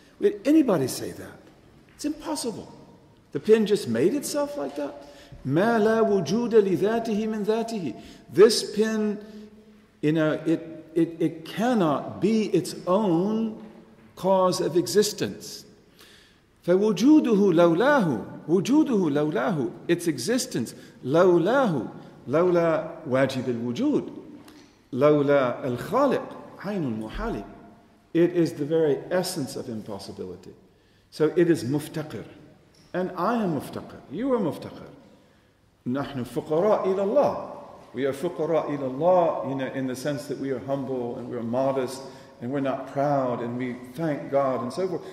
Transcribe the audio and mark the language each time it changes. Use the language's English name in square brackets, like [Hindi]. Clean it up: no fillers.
[English] Would anybody say that? It's impossible. The pin just made itself like that? [Arabic] مَا لَا وُجُودَ لِذَاتِهِ مِنْ ذَاتِهِ. [English] This pin, you know, it cannot be its own cause of existence. [Arabic] فَوُجُودُهُ لَوْلَاهُ وُجُودُهُ لَوْلَاهُ. [English] Its existence, [Arabic] لَوْلَاهُ لَوْلَا وَاجِبِ الْوُجُودِ لَوْلَا الْخَالِقِ عَيْنُ الْمُحَالِ. [English] It is the very essence of impossibility. So it is muftaqir. And I am muftaqir. You are muftaqir. [Arabic] نَحْنُ فُقَرَاء إِلَى اللَّهِ. [English] We are [Arabic] فُقَرَاء إِلَى اللَّهِ, [English] you know, in the sense that we are humble and we are modest and we're not proud and we thank God and so forth.